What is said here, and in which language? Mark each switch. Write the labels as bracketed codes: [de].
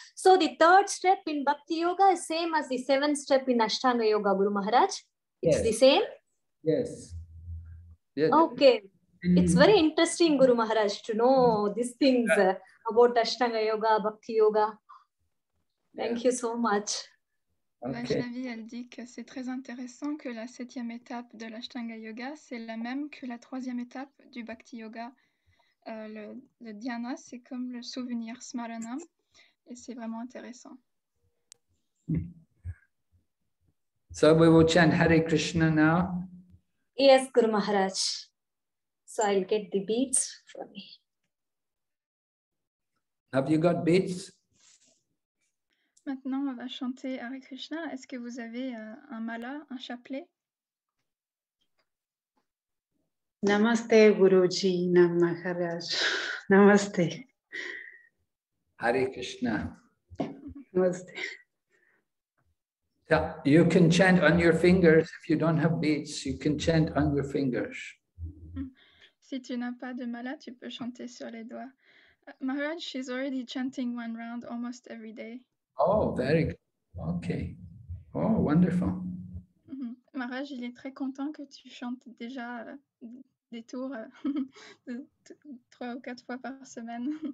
[en] So the third step in Bhakti Yoga is same as the seventh step in Ashtanga Yoga, Guru Maharaj. It's yes. The same? Yes. Yeah. Okay. It's very interesting, Guru Maharaj, to know these things about Ashtanga Yoga, Bhakti Yoga. Thank you so much. Okay. [fr] Vaishnavi, elle dit que c'est très intéressant que la septième étape de l'Ashtanga Yoga, c'est la même que la troisième étape du Bhakti Yoga. Le dhyana, c'est comme le souvenir smaranam, et c'est vraiment intéressant. [en] So we will chant Hare Krishna now. Yes, Guru Maharaj. So I'll get the beads for me. Have you got beads? [fr] Maintenant, on va chanter Hare Krishna. Est-ce que vous avez un mala, un chapelet? [en] Namaste, Guruji. Namaharaj. Namaste. Hare Krishna. Namaste. Yeah, you can chant on your fingers. If you don't have beads, you can chant on your fingers. [fr] Si tu n'as pas de mala, tu peux chanter sur les doigts. [en] Maharaj, she's already chanting one round almost every day. Oh, very good. Okay. Oh, wonderful. Mm-hmm. [fr] Maharaj, il est très content que tu chantes déjà des tours trois ou quatre fois par semaine.